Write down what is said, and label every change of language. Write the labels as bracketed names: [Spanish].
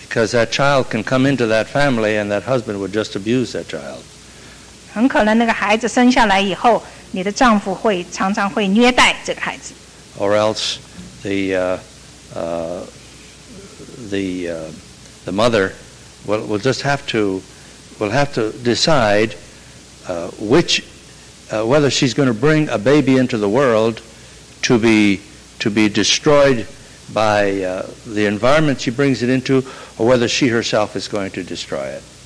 [English] Because that child can come into that family and that husband would just abuse that child. [Chinese] 很可能那个孩子生下来以后，你的丈夫会常常会虐待这个孩子。 [English] Or else the mother will just have to decide which whether she's going to bring a baby into the world to be destroyed by the environment she brings it into, or whether she herself is going to destroy it.